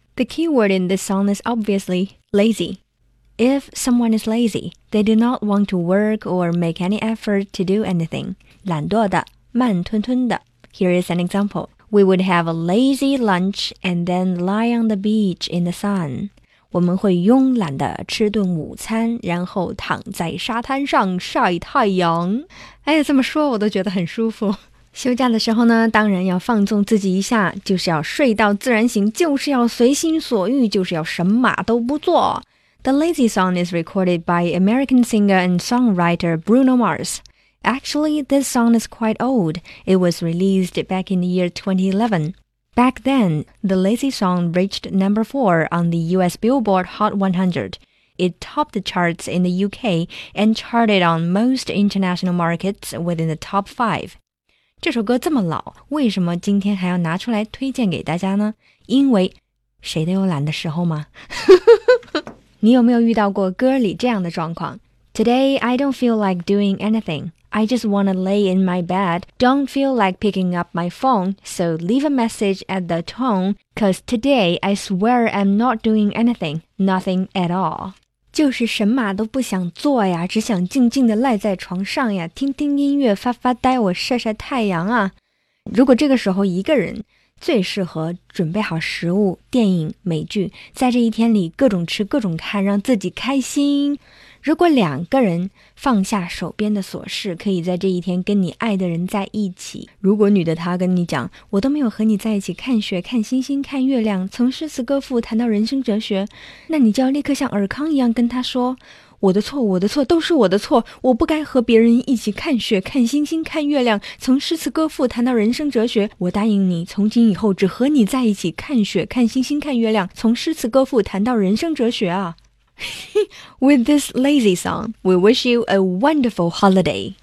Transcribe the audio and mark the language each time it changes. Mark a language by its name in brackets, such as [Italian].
[English] The key word in this song is obviously lazy. If someone is lazy, they do not want to work or make any effort to do anything. [Chinese] 懒惰的，慢吞吞的。 [English] Here is an example. We would have a lazy lunch and then lie on the beach in the sun. [Chinese] 我们会慵懒地吃顿午餐，然后躺在沙滩上晒太阳。哎，这么说我都觉得很舒服。休假的时候呢，当然要放纵自己一下，就是要睡到自然醒，就是要随心所欲，就是要什么都不做。 [English] The Lazy Song is recorded by American singer and songwriter Bruno Mars. Actually, this song is quite old. It was released back in the year 2011. Back then, The Lazy Song reached number 4 on the US Billboard Hot 100. It topped the charts in the UK and charted on most international markets within the top 5. [Chinese] 这首歌这么老，为什么今天还要拿出来推荐给大家呢？因为谁都有懒的时候吗？你有没有遇到过歌里这样的状况？ [English] Today, I don't feel like doing anything. I just want to lay in my bed, don't feel like picking up my phone, so leave a message at the tone, cause today I swear I'm not doing anything, nothing at all. [Chinese] 就是什么都不想做呀，只想静静地赖在床上呀，听听音乐，发发呆，我晒晒太阳啊。如果这个时候一个人，最适合准备好食物、电影、美剧，在这一天里各种吃、各种看，让自己开心。如果两个人放下手边的琐事，可以在这一天跟你爱的人在一起。如果女的她跟你讲，我都没有和你在一起看雪、看星星、看月亮，从诗词歌赋谈到人生哲学，那你就要立刻像尔康一样跟她说，我的错，我的错，都是我的错，我不该和别人一起看雪、看星星、看月亮，从诗词歌赋谈到人生哲学。我答应你，从今以后只和你在一起看雪、看星星、看月亮，从诗词歌赋谈到人生哲学啊。 [English] With this lazy song, we wish you a wonderful holiday.